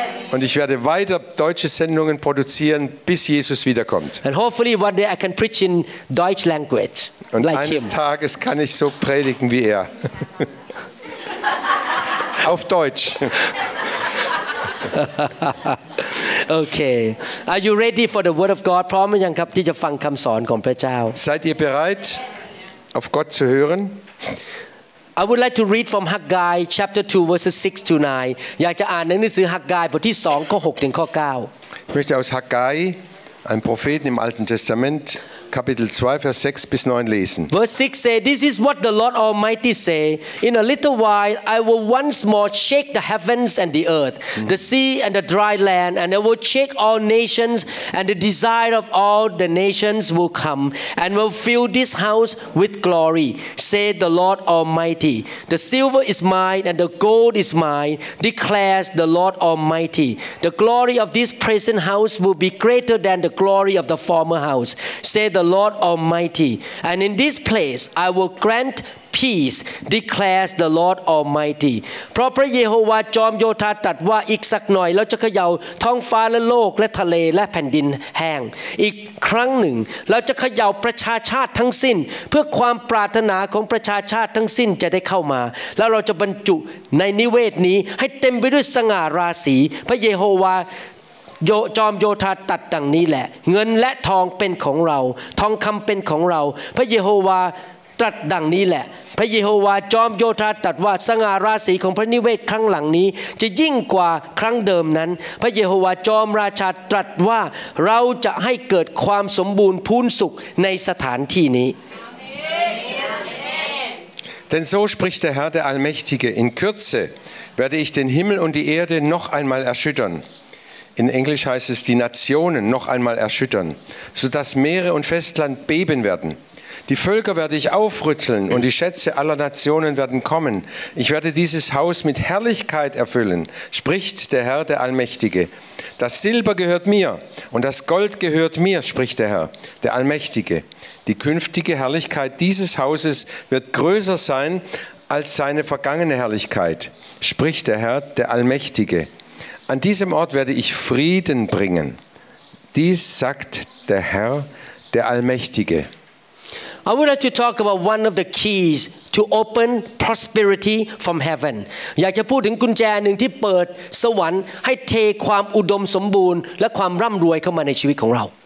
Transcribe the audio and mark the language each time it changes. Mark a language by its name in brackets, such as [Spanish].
[German] Und ich werde weiter deutsche Sendungen produzieren, bis Jesus wiederkommt. [English] And hopefully one day I can preach in Deutsch language [German] Und [English] like him. [German] Und eines Tages kann ich so predigen wie er. Auf Deutsch. [English] Okay. Are you ready for the word of God? [Thai] พร้อมยังครับที่จะฟังคําสอนของพระเจ้า [German] Seid ihr bereit auf Gott zu hören? [English] I would like to read from Haggai chapter 2 verses 6 to 9. [Thai] อยากจะอ่านหนังสือฮักกายบทที่2ข้อ6ถึงข้อ9. [German] Ich möchte aus Haggai, einem Propheten im Alten Testament, Kapitel 2 Vers 6 bis 9 lesen. [English] Verse 6 says, this is what the Lord Almighty say, in a little while I will once more shake the heavens and the earth, the sea and the dry land, and I will shake all nations, and the desire of all the nations will come, and will fill this house with glory, said the Lord Almighty. The silver is mine and the gold is mine, declares the Lord Almighty. The glory of this present house will be greater than the glory of the former house, said the Lord Almighty. And in this place I will grant peace, declares the Lord Almighty. [Thai] เพราะพระเยโฮวาห์จอมโยธาตรัสว่าอีกสักหน่อยเราจะเขย่าท้องฟ้าและโลกและทะเลและแผ่นดินแห้งอีกครั้งหนึ่งเราจะเขย่าประชาชาติทั้งสิ้นเพื่อความปรารถนาของประชาชาติทั้งสิ้นจะได้เข้ามาแล้วเราจะบรรจุในนิเวศนี้ให้เต็มไปด้วยสง่าราศีพระเยโฮวาห์ โยจอมโยธาตัดดังนี้แหละเงินและทองเป็นของเราทองคำเป็นของเราพระเยโฮวาตรัสดังนี้แหละพระเยโฮวาจอมโยธาตัดว่าสง่าราศีของพระนิเวศครั้งหลังนี้จะยิ่งกว่าครั้งเดิมนั้นพระเยโฮวาจอมราชาตรัสว่าเราจะให้เกิดความสมบูรณ์พูนสุขในสถานที่นี้ [German] Denn so spricht der Herr der Allmächtige in Kürze werde ich den Himmel und die Erde noch einmal erschüttern In Englisch heißt es, die Nationen noch einmal erschüttern, sodass Meere und Festland beben werden. Die Völker werde ich aufrütteln und die Schätze aller Nationen werden kommen. Ich werde dieses Haus mit Herrlichkeit erfüllen, spricht der Herr, der Allmächtige. Das Silber gehört mir und das Gold gehört mir, spricht der Herr, der Allmächtige. Die künftige Herrlichkeit dieses Hauses wird größer sein als seine vergangene Herrlichkeit, spricht der Herr, der Allmächtige. An diesem Ort werde ich Frieden bringen. Dies sagt der Herr, der Allmächtige. [English] I would like to talk about one of the keys to open prosperity from heaven. [Thai] อยากจะพูดถึงกุญแจหนึ่งที่เปิดสวรรค์ให้เทความอุดมสมบูรณ์และความร่ำรวยเข้ามาในชีวิตของเรา